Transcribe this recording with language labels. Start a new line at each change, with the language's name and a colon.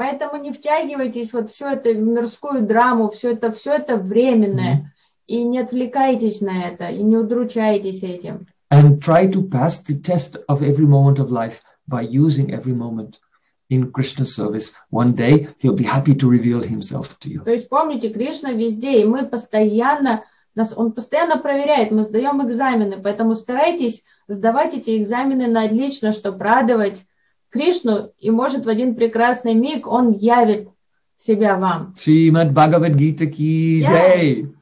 Russian: Поэтому не втягивайтесь вот всю эту мирскую драму, все это временное, и не отвлекайтесь на это, и не удручайтесь этим.
English: And try to pass the test of every moment of life by using every moment in Krishna's service. One day he'll be happy to reveal himself to you.
Russian: То есть помните, Кришна везде, и мы постоянно нас, он постоянно проверяет, мы сдаем экзамены, поэтому старайтесь сдавать эти экзамены на отлично, чтобы радовать Кришну, и может в один прекрасный миг он явит себя вам.
Hindi: Шримад Бхагавад Гита ки джай.